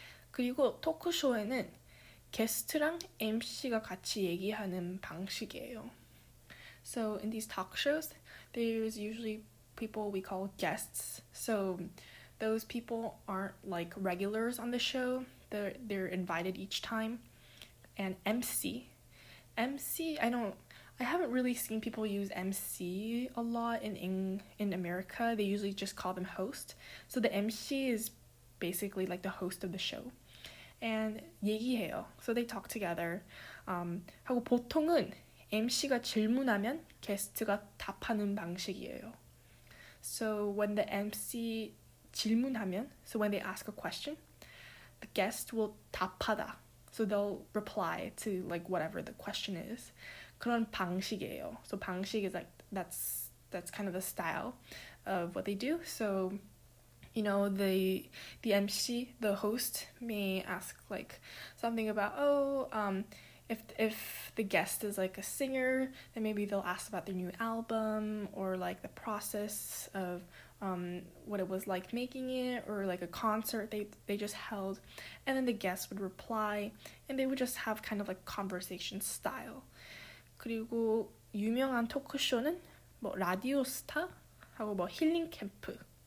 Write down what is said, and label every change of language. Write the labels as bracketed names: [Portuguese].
[Korean] 그리고 토크쇼에는 게스트랑 MC가 같이 얘기하는 방식이에요. [English] So in these talk shows, there's usually people we call guests. So those people aren't like regulars on the show. They're invited each time. And MC, I haven't really seen people use MC a lot in America. They usually just call them host. So the MC is basically like the host of the show. And [Korean] 얘기해요. [English] So they talk together. [Korean] 하고 보통은 MC가 질문하면 게스트가 답하는 방식이에요. [English] So when the MC 질문하면, so when they ask a question, the guest will 답하다. So they'll reply to like whatever the question is. [Korean] 그런 방식이에요. [English] So 방식 is like that's kind of the style of what they do. So you know, the MC, the host, may ask like something about, oh, if the guest is like a singer, then maybe they'll ask about their new album or like the process of what it was like making it, or like a concert they just held, and then the guests would reply, and they would just have kind of like conversation style. [Korean] 그리고 유명한 토크쇼는 뭐 라디오 스타 하고 뭐 힐링 캠프.